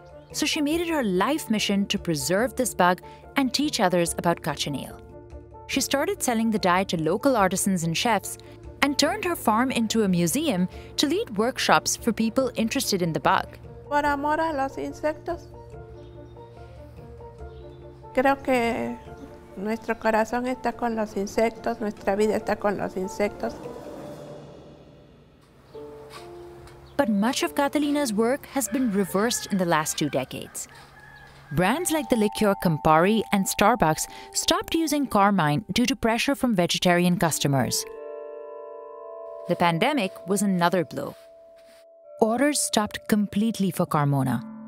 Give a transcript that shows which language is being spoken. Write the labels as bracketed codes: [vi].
[en] So she made it her life mission to preserve this bug and teach others about cochineal. She started selling the dye to local artisans and chefs and turned her farm into a museum to lead workshops for people interested in the bug. [es] Por amor a los insectos. Creo que nuestro corazón está con los insectos, nuestra vida está con los insectos. [en] But much of Catalina's work has been reversed in the last 2 decades. Brands like the liqueur Campari and Starbucks stopped using carmine due to pressure from vegetarian customers. The pandemic was another blow. Orders stopped completely for Carmona.